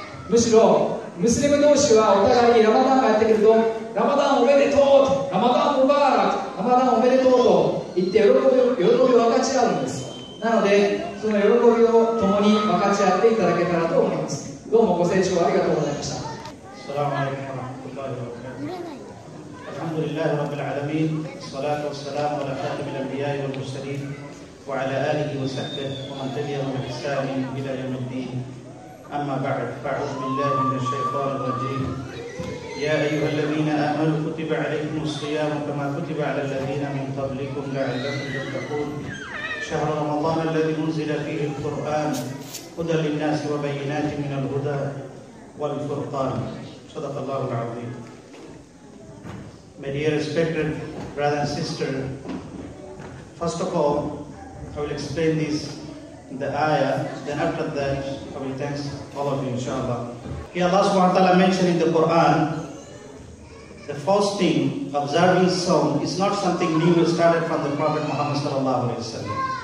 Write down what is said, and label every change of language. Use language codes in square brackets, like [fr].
[ja] むしろムスリム同士はお互いにラマダンがやってくると、ラマダンおめでとうと、ラマダンムバーラク、ラマダンおめでとうと言って喜びを分かち合うんです。なのでその喜びを共に分かち合っていただけたらと思います。どうもご清聴ありがとうございました。 [ar] السلام عليكم ورحمة الله وبركاته. الحمد لله رب العالمين. الصلاة والسلام على خاتم الأنبياء والمرسلين وعلى آله وصحبه ومن تبعهم بإحسان إلى يوم الدين. أما بعد، أعوذ بالله من الشيطان الرجيم. يا أيها الذين آمنوا كتب عليكم الصيام كما كتب على الذين من قبلكم لعلكم تتقون. شهر رمضان الذي أنزل فيه القرآن هدى للناس وبينات من الهدى والفرقان. [en] My dear respected brother and sister, first of all, I will explain this, the ayah, then after that, I will thank all of you, inshallah. Here Allah [ar] subhanahu wa ta'ala [en] mentioned in the Quran, the fasting, observing sawm, is not something new started from the Prophet Muhammad [ar] sallallahu alayhi wa sallam.